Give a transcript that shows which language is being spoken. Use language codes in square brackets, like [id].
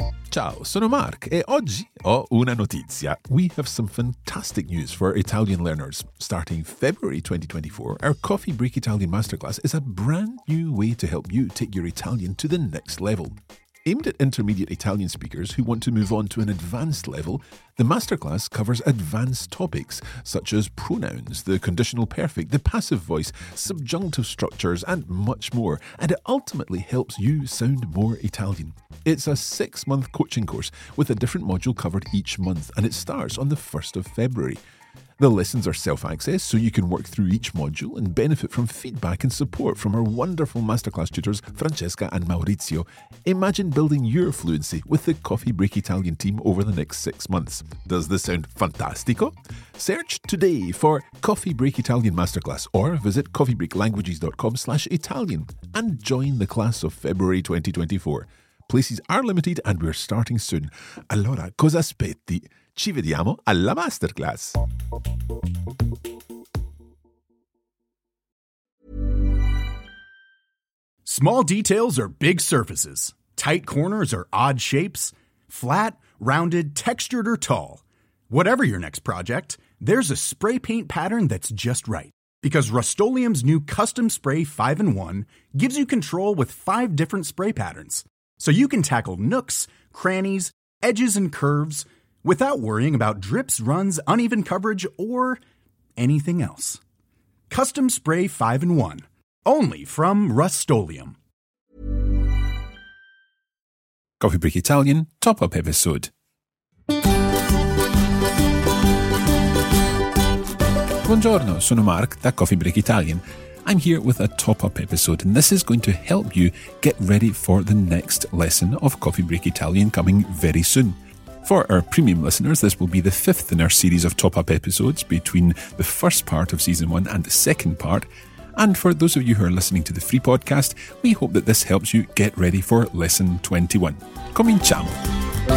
[it] Ciao, sono Mark e oggi ho una notizia. [en] We have some fantastic news for Italian learners. Starting February 2024, our Coffee Break Italian Masterclass is a brand new way to help you take your Italian to the next level. Aimed at intermediate Italian speakers who want to move on to an advanced level, the masterclass covers advanced topics such as pronouns, the conditional perfect, the passive voice, subjunctive structures, and much more, and it ultimately helps you sound more Italian. It's a six-month coaching course with a different module covered each month, and it starts on the 1st of February. The lessons are self-access, so you can work through each module and benefit from feedback and support from our wonderful masterclass tutors, Francesca and Maurizio. Imagine building your fluency with the Coffee Break Italian team over the next 6 months. Does this sound fantastico? Search today for Coffee Break Italian Masterclass or visit coffeebreaklanguages.com/Italian and join the class of February 2024. Places are limited and we're starting soon. [it] Allora, cosa aspetti? Ci vediamo alla masterclass. [en] Small details are big surfaces. Tight corners are odd shapes. Flat, rounded, textured, or tall. Whatever your next project, there's a spray paint pattern that's just right. Because Rust-Oleum's new Custom Spray 5-in-1 gives you control with 5 different spray patterns. So you can tackle nooks, crannies, edges, and curves without worrying about drips, runs, uneven coverage, or anything else. Custom Spray 5-in-1. Only from Rust-Oleum. Coffee Break Italian Top Up Episode. [it] Buongiorno, sono Mark da Coffee Break Italian. [en] I'm here with a top-up episode, and this is going to help you get ready for the next lesson of Coffee Break Italian coming very soon. For our premium listeners, this will be the fifth in our series of top-up episodes between the first part of season one and the second part. And for those of you who are listening to the free podcast, we hope that this helps you get ready for lesson 21. [it] Cominciamo!